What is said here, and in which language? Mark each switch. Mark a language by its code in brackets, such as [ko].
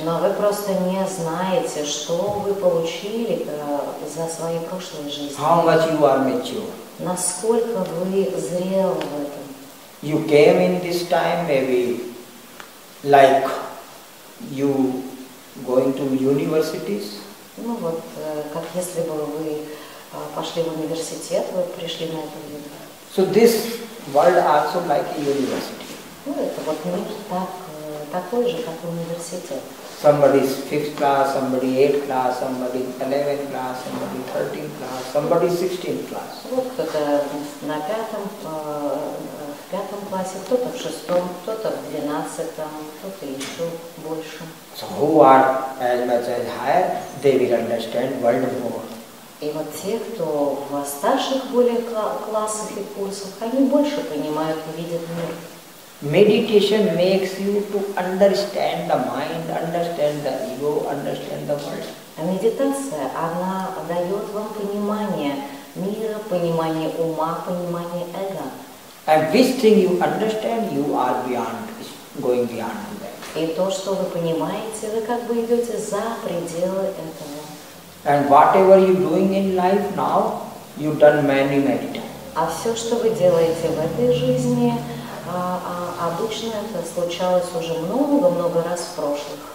[ru] Но вы просто не знаете, что вы получили за свои прошлые жизни. [en] How much you are mature? [ru] Насколько вы зрел в этом? [en] You came in this time maybe like you going to universities? [ru] Ну вот, как если бы вы пошли в университет, вы пришли на эту виду. [en] So this world also like a university. [ru] Ну это вот мир такой же, как университет. [en] Somebody is 5th class, somebody 8th class, somebody 11th class, somebody 13th class, somebody 16th class. [ru] Вот кто-то на пятом, в пятом классе, кто-то в шестом, кто-то в 12-м, кто-то еще больше. [en] So who are as much as higher, they will understand world more. [ru] И вот те, кто в старших более классах и курсах, они больше понимают и видят мир. [en] Meditation makes you to understand the mind, understand the ego, understand the world. [ru] Медитация, она дает вам понимание мира, понимание ума, понимание эго. [en] And which thing you understand, you are beyond, going beyond that. [ru] И то, что вы понимаете, вы как бы идете за пределы этого. [en] And whatever you're doing in life now, you've done many, many times. [ru] А все, что вы делаете в этой жизни, обычно это случалось уже много-много раз в прошлых.